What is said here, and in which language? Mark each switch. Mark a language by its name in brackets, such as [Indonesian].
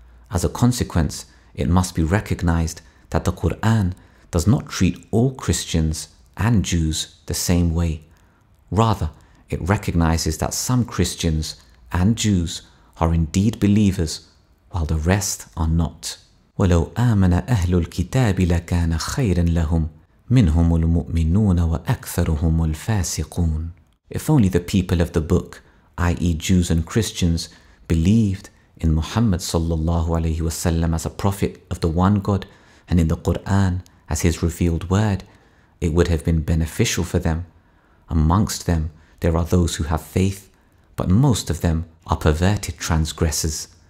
[English] As a consequence, it must be recognized that the Qur'an does not treat all Christians and Jews the same way. Rather, it recognizes that some Christians and Jews are indeed believers, while the rest are not. [Arabic] وَلَوْ آمَنَ أَهْلُ الْكِتَابِ لَكَانَ خَيْرًا لَهُمْ مِنْهُمُ الْمُؤْمِنُونَ وَأَكْثَرُهُمُ الْفَاسِقُونَ [English] If only the people of the book, i.e. Jews and Christians, believed in Muhammad sallallahu alayhi wasallam as a prophet of the one God and in the Qur'an as his revealed word, it would have been beneficial for them. Amongst them, there are those who have faith, but most of them are perverted transgressors.